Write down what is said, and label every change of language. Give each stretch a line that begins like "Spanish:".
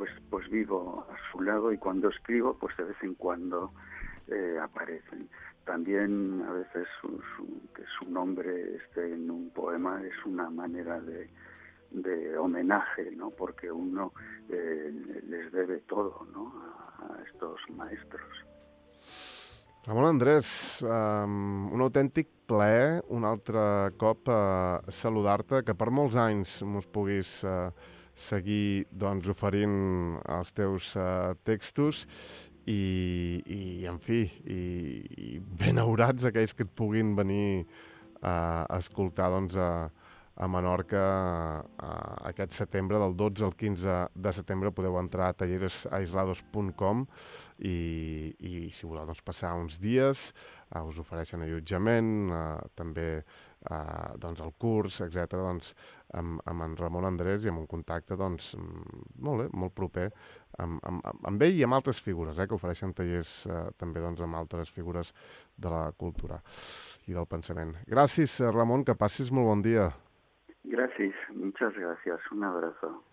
Spanish: Pues vivo a su lado, y cuando escribo, pues de vez en cuando aparecen. También a veces que su nombre esté en un poema es una manera de homenaje, ¿no? Porque uno les debe todo, ¿no? A estos maestros.
Catalan: Ramon Andrés, un autèntic plaer un altre cop saludar-te, que per molts anys mos puguis seguir doncs, oferint els teus textos i en fi, i benaurats aquells que et puguin venir a escoltar doncs, a Menorca aquest setembre, del 12 al 15 de setembre. Podeu entrar a talleresaislados.com i si voleu doncs, passar uns dies, us ofereixen allotjament, també doncs, el curs, etc. Doncs, amb en Ramon Andrés i amb un contacte doncs, molt bé, molt proper amb ell i amb altres figures, que ofereixen tallers també doncs, amb altres figures de la cultura i del pensament. Gràcies, Ramon, que passis molt bon dia.
Spanish: Gracias, muchas gracias, un abrazo.